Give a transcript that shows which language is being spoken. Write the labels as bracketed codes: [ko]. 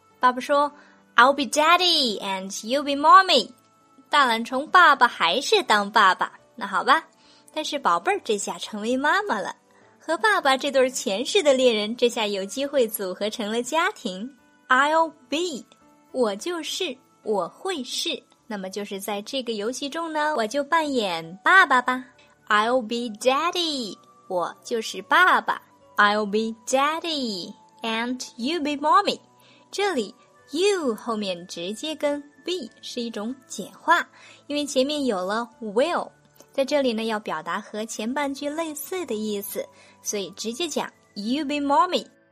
[zh] 爸爸说 [en] I'll be daddy and you be mommy， [zh] 大懒虫爸爸还是当爸爸，那好吧，但是宝贝儿这下成为妈妈了，和爸爸这对前世的恋人这下有机会组合成了家庭。 [en] I'll be， [zh] 我就是，我会是，那么就是在这个游戏中呢，我就扮演爸爸吧。 [en] I'll be daddy， [zh] 我就是爸爸。 [en] I'll be daddy and you be mommy， [zh] 这里 you 后面直接跟 be 是一种简化，因为前面有了 will， 在这里呢要表达和前半句类似的意思，所以直接讲 [en] you be mommy。